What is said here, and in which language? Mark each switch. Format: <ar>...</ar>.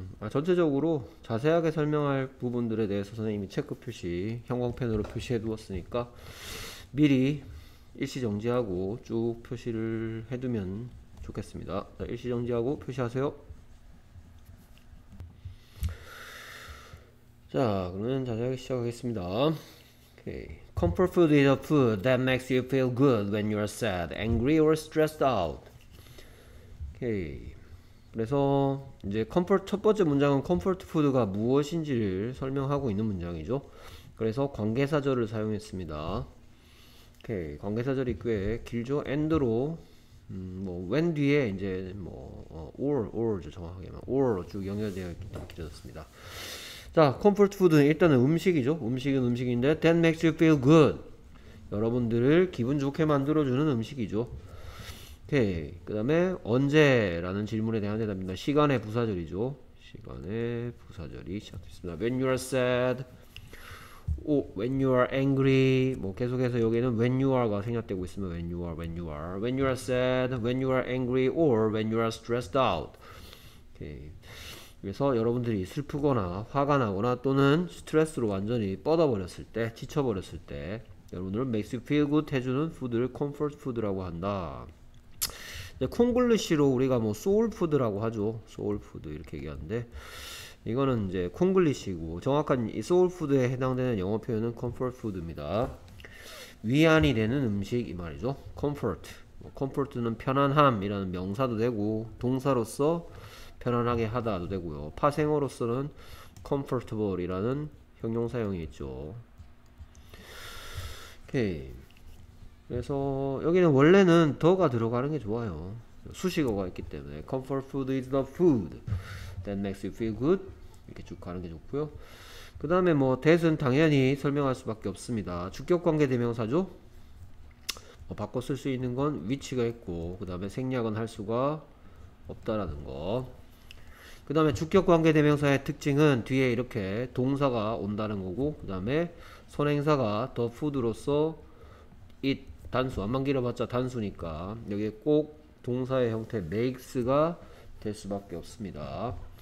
<ko>전체적으로 자세하게 설명할 부분들에 대해서 선생님이 체크 표시, 형광펜으로 표시해 두었으니까 미리 일시정지하고 쭉 표시를 해두면 좋겠습니다. 자, 일시정지하고 표시하세요. 자, 그러면 자세하게 시작하겠습니다. Okay.</ko> <en>Comfort food is a food that makes you feel good when you are sad, angry, or stressed out.</en> <ko>Okay. 그래서 이제 첫 번째 문장은 comfort food가 무엇인지를 설명하고 있는 문장이죠. 그래서 관계사절을 사용했습니다. 오케이, 관계사절이 꽤 길죠. and로 뭐 when 뒤에 이제 뭐 or죠. 정확하게만 or로 쭉 연결되어 있기 때문에 길어졌습니다. 자, comfort food는 일단은 음식이죠. 음식은 음식인데</ko> <en>that makes you feel good.</en> <ko>여러분들을 기분 좋게 만들어 주는 음식이죠. 오케이, 그다음에 언제라는 질문에 대한 대답입니다. 시간의 부사절이죠. 시간의 부사절이 시작됐습니다.</ko> <en>when you are sad, when you are angry,</en> <ko>뭐 계속해서 여기에는</ko> <en>when you are가</en> <ko>생략되고 있으면</ko> <en>when you are sad, when you are angry, or when you are stressed out.</en> <ko>오케이. 그래서 여러분들이 슬프거나 화가 나거나 또는 스트레스로 완전히 뻗어버렸을 때, 지쳐버렸을 때, 여러분들은</ko> <en>makes you feel good</en> <ko>해주는 food를 comfort food라고 한다. 근데 콩글리시로 우리가 뭐 soul food라고 하죠. soul food 이렇게 얘기하는데. 이거는 이제 콩글리시고 정확한 이 소울 푸드에 해당되는 영어 표현은 컴포트 푸드입니다. 위안이 되는 음식 이 말이죠. 컴포트. 컴포트는 편안함이라는 명사도 되고 동사로서 편안하게 하다도 되고요. 파생어로서는 comfortable이라는 형용사형이 있죠. 오케이. 그래서 여기는 원래는 더가 들어가는 게 좋아요. 수식어가 있기 때문에</ko> <en>comfort food is the food that makes you feel good.</en> <ko>이렇게 쭉 가는 게 좋고요. 그 다음에 뭐 that은 당연히 설명할 수밖에 없습니다. 주격관계 대명사죠. 바꿔 쓸수 있는 건 위치가 있고 그 다음에 생략은 할 수가 없다라는 거. 그 다음에 주격관계 대명사의 특징은 뒤에 이렇게 동사가 온다는 거고 그 다음에 선행사가 the food로서 it 단수 안만 길어봤자 단수니까 여기에 꼭 동사의 형태 makes가 될 수밖에 없습니다.</ko>